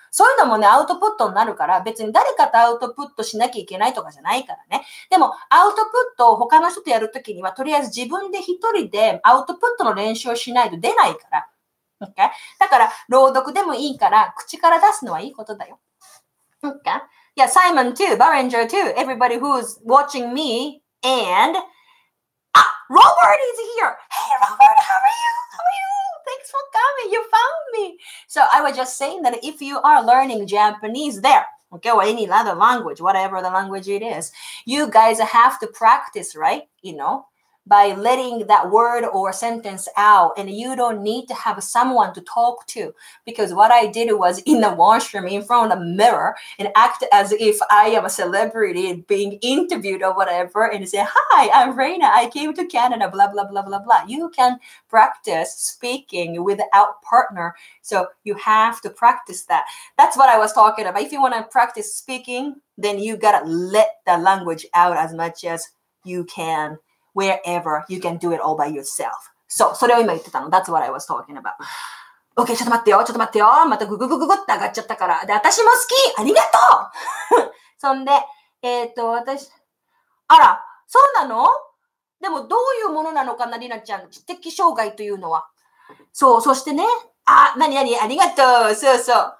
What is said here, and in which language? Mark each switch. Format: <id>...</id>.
<ja>そういうのもね、アウトプットになるから、別に誰かとアウトプットしなきゃいけないとかじゃないからね。でも、アウトプットを他の人とやるときには、とりあえず自分で一人でアウトプットの練習をしないと出ないから。</ja> <en>Okay?</en> <ja>だから、朗読でもいいから、口から出すのはいいことだよ。</ja> <en>Okay? Yeah, Simon too, Barringer too, everybody who's watching me and... Robert is here! Hey Robert, how are you? How are you? Thanks for coming, you found me! So I was just saying that if you are learning Japanese there, okay, or any other language, whatever the language it is, you guys have to practice, right? You know, by letting that word or sentence out, and you don't need to have someone to talk to. Because what I did was in the washroom in front of a mirror and act as if I am a celebrity being interviewed or whatever and say, hi, I'm Reina, I came to Canada, blah, blah, blah, blah, blah. You can practice speaking without partner. So you have to practice that. That's what I was talking about. If you want to practice speaking, then you gotta let the language out as much as you can. Wherever you can do it all by yourself.</en> <ja>So, それを今言ってたの。</ja> <en>That's what I was talking about.</en> <ja>OK, ちょっと待ってよ。ちょっと待ってよ。またグググググって上がっちゃったから。で、私も好き。ありがとう。そんで、私、あら、そうなの？でも、どういうものなのかな、リナちゃん。知的障害というのは。そう、そしてね。あ、なになに？ありがとう。そうそう。</ja>